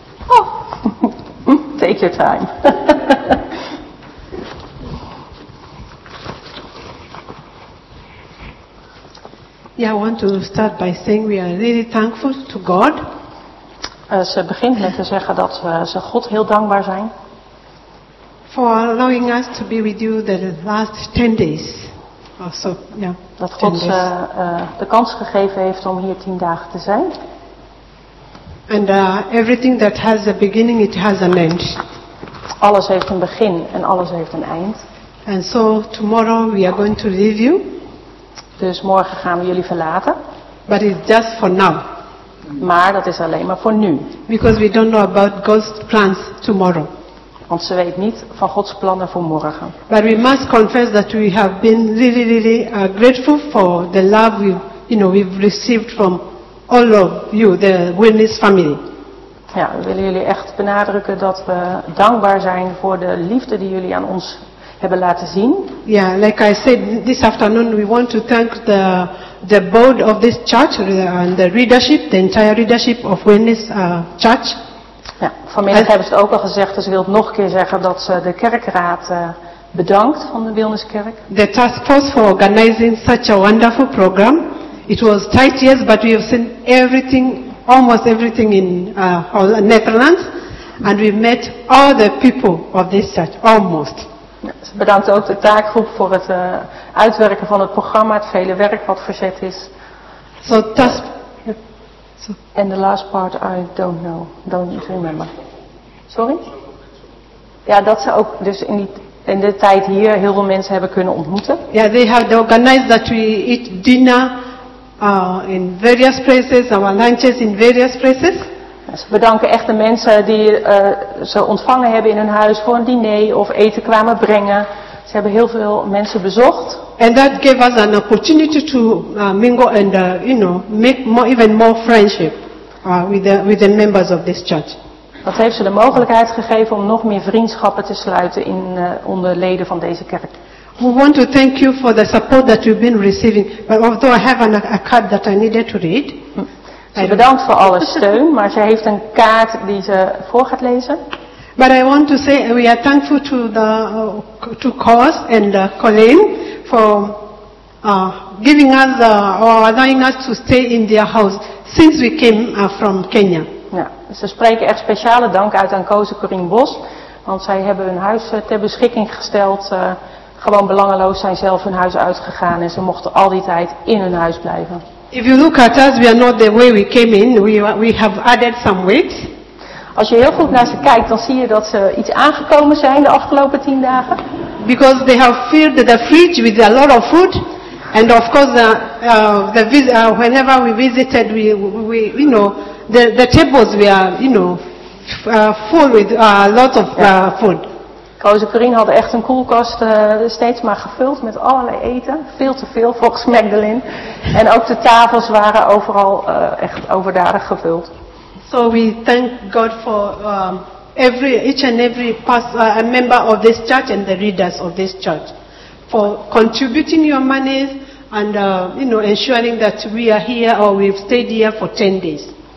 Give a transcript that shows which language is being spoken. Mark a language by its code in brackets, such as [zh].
[en] Oh. Take your time. Yeah, I want to start by saying we are really thankful to God. [nl] Ze begint met te zeggen dat ze God heel dankbaar zijn. [en] For allowing us to be with you the last 10 days. Also, yeah, [nl] dat God ze de kans gegeven heeft om hier 10 dagen te zijn. [en] And everything that has a beginning, it has an end. [nl] Alles heeft een begin en alles heeft een eind. [en] And so tomorrow we are going to leave you. [nl] Dus morgen gaan we jullie verlaten. [en] But it's just for now. [nl] Maar dat is alleen maar voor nu. [en] Because we don't know about God's plans tomorrow. [nl] Want ze weet niet van Gods plannen voor morgen. [en] But we must confess that we have been really, really grateful for the love we've received from all of you, the Wilnis family. [nl] Ja, we willen jullie echt benadrukken dat we dankbaar zijn voor de liefde die jullie aan ons hebben laten zien. [en] Yeah, like I said, this afternoon we want to thank the board of this church and the leadership, the entire leadership of Wilnis Church. [nl] Ja, vanmiddag hebben ze het ook al gezegd, dus ik wil het nog een keer zeggen dat ze de kerkraad bedankt van de Wilniskerk. [en] The task force for organizing such a wonderful program. It was tight, yes, but we have seen everything, almost everything in Netherlands. And we met all the people of this church, almost. [nl] Ja, ze bedankt ook de taakgroep voor het uitwerken van het programma, het vele werk wat verzet is. [en] So task. [nl] En de laatste part, [en] I don't know. Don't remember. Sorry? [nl] Ja, dat ze ook dus in de tijd hier heel veel mensen hebben kunnen ontmoeten. [en] Yeah, they have organized that we eat dinner in various places, our lunches in various places. [nl] Ja, ze bedanken echt de mensen die ze ontvangen hebben in hun huis voor een diner of eten kwamen brengen. Ze hebben heel veel mensen bezocht. [en] And that gave us an opportunity to mingle and make even more friendship with the members of this church. [nl] Dat heeft ze de mogelijkheid gegeven om nog meer vriendschappen te sluiten in onder leden van deze kerk. [en] We want to thank you for the support that you've been receiving. But although I have a card that I needed to read. [nl] Ze bedankt voor alle steun, maar ze heeft een kaart die ze voor gaat lezen. [en] But I want to say we are thankful to the to COS and Colleen for giving us or allowing us to stay in their house since we came from Kenya. [nl] Ja, ze spreken echt speciale dank uit aan COS en Corine Bos, want zij hebben hun huis ter beschikking gesteld. Gewoon belangeloos zijn zelf hun huis uitgegaan en ze mochten al die tijd in hun huis blijven. [en] If you look at us, we are not the way we came in. We have added some weight. [nl] Als je heel goed naar ze kijkt, dan zie je dat ze iets aangekomen zijn de afgelopen 10 dagen. [en] Because they have filled the fridge with a lot of food, and of course whenever we visited, the tables were full with a lot of food. [nl] Koos en Corine hadden echt een koelkast steeds maar gevuld met allerlei eten. Veel te veel volgens Magdalene. En ook de tafels waren overal echt overdadig gevuld. [en] So we thank God for each and every member of this church and the leaders of this church for contributing your money and ensuring that we are here or we've stayed here for 10 days.